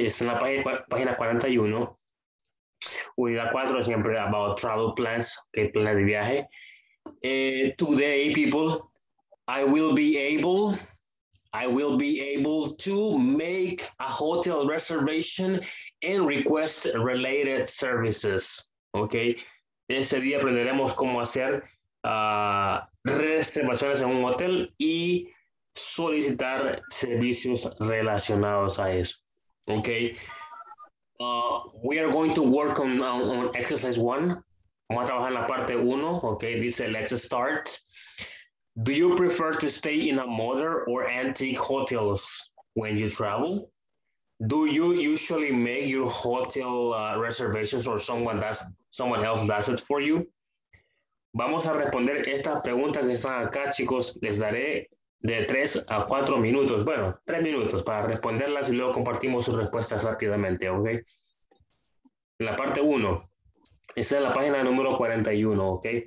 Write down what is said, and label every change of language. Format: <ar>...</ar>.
<en>It's in</en> <es>la página 41. Unidad 4, siempre</es> <en>about travel plans,</en> <es>okay, planes de viaje.</es> <en>Today, people, I will be able to make a hotel reservation and request related services, okay?</en> <es>Ese día aprenderemos cómo hacer reservaciones en un hotel y solicitar servicios relacionados a eso.</es> <en>Okay. We are going to work on exercise one.</en> <es>Vamos a trabajar en la parte uno. Okay. Dice,</es> <en>let's start. Do you prefer to stay in a modern or antique hotels when you travel? Do you usually make your hotel reservations or someone else does it for you?</en> <es>Vamos a responder estas preguntas que están acá, chicos. Les daré de 3 a 4 minutos, bueno, 3 minutos para responderlas y luego compartimos sus respuestas rápidamente, ¿ok? En la parte 1, esa es la página número 41, ¿ok?</es>